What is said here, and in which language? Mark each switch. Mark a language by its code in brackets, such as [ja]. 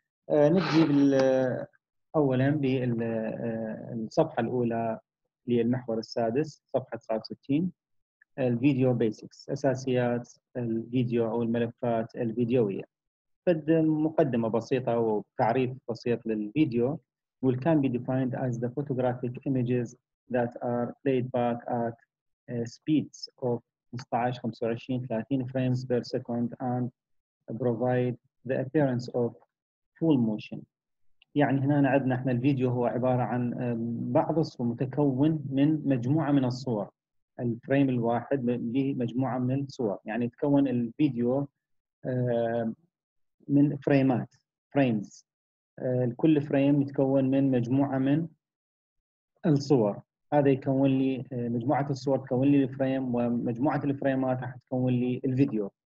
[ar] نبدي اولا بالصفحه الاولى للمحور السادس، صفحه 69، الفيديو بيسكس، أساسيات الفيديو أو الملفات الفيديوية. فد مقدمة بسيطة وتعريف بسيط للفيديو. [en] will can be defined as the photographic images that are played back at speeds of 15, 25, 30 frames per second and provide the appearance of full motion. [ar] يعني هنا عندنا احنا الفيديو هو عبارة عن بعض الصور، متكون من مجموعة من الصور، الفريم الواحد به مجموعة من الصور، يعني يتكون الفيديو من فريمات فريمز، كل فريم يتكون من مجموعة من الصور، هذا يكون لي مجموعة الصور تكون لي الفريم، ومجموعة الفريمات راح تكون لي الفيديو.